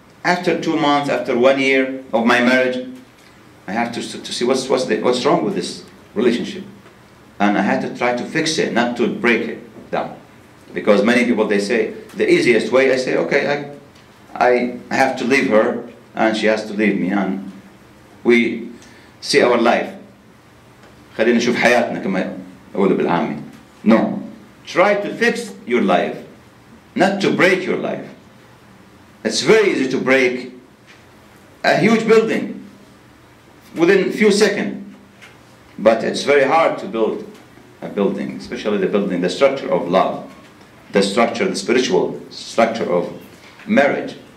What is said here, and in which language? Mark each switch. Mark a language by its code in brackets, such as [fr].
[en] After 2 months, after 1 year of my marriage, I have to see what's wrong with this relationship. And I had to try to fix it, not to break it down. Because many people, they say, the easiest way, I say, okay, I have to leave her, and she has to leave me, and we see our life. [ar] خلينا نشوف حياتنا كما أقول بالعامي. [en] No. Try to fix your life, not to break your life. It's very easy to break a huge building within a few seconds. But it's very hard to build a building, especially the building, the structure of love, the structure, the spiritual structure of marriage.